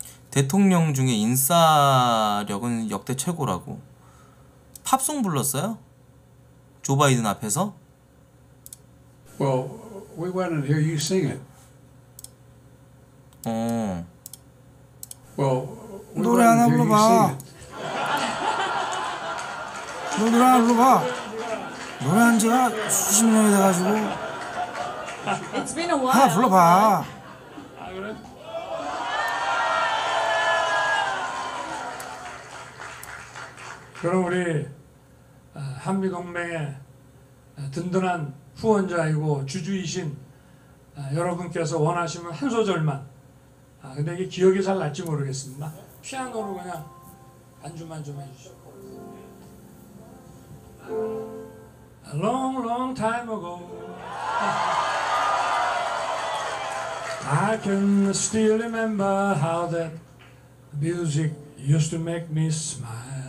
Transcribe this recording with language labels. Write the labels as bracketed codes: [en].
[ko] 대통령 중에 인싸력은 역대 최고라고. 팝송 불렀어요? 조 바이든 앞에서? [en] Well, we want to hear you sing it. 어. Well, [ko] 노래 하나 불러봐. 너 노래 하나 불러봐. 노래 한 지가 수십 년이 돼가지고. [en] It's been a while. [ko] 하나 불러봐. 그럼 우리 한미동맹의 든든한 후원자이고 주주이신 여러분께서 원하시면 한 소절만. 근데 이게 기억이 잘 날지 모르겠습니다. 피아노로 그냥 반주만 좀 해주시오. [en] A long long time ago I can still remember how that music used to make me smile.